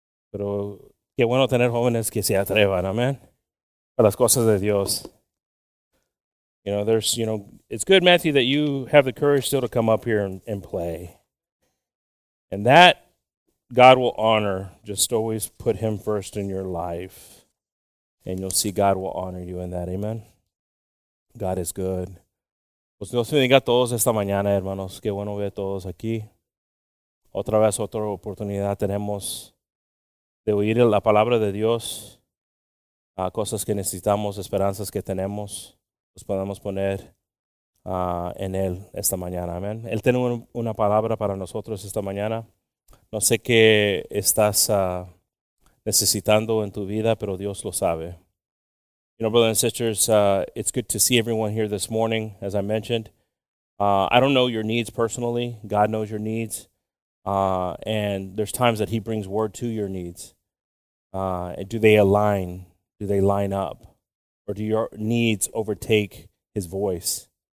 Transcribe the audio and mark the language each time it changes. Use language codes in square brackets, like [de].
[es] Pero qué bueno tener jóvenes que se atrevan, amén. A las cosas de Dios. [en] You know, it's good, Matthew, that you have the courage still to come up here and play. And that God will honor. Just always put him first in your life. And you'll see God will honor you in that. Amen. God is good. [es] Pues Dios bendiga a todos esta mañana, hermanos. Qué bueno ver a todos aquí. Otra vez, otra oportunidad tenemos de oír la palabra de Dios. Cosas que necesitamos, esperanzas que tenemos, los podemos poner en Él esta mañana. Amén. Él tiene una palabra para nosotros esta mañana. No sé qué estás necesitando en tu vida, pero Dios lo sabe. [en] You know, brothers and sisters, it's good to see everyone here this morning, as I mentioned. I don't know your needs personally. God knows your needs. And there's times that he brings word to your needs. And do they align? Do they line up? Or do your needs overtake his voice?